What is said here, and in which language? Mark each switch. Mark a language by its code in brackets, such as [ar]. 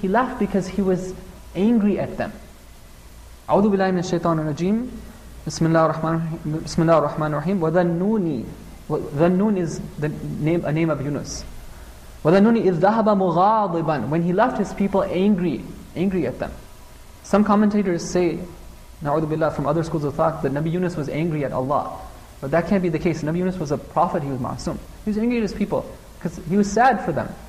[en] He left because he was angry at them. [ar] أعوذ بالله من الشيطان الرجيم بسم الله الرحمن الرحيم وذنوني. [en] وذنون is the name, a name of Yunus. [ar] وذنوني إذ ذهب مغاضبا. [en] When he left his people angry at them. Some commentators say, [ar] نعوذ بالله, [en] from other schools of thought, that Nabi Yunus was angry at Allah. But that can't be the case. Nabi Yunus was a prophet, he was ma'asum. He was angry at his people because he was sad for them.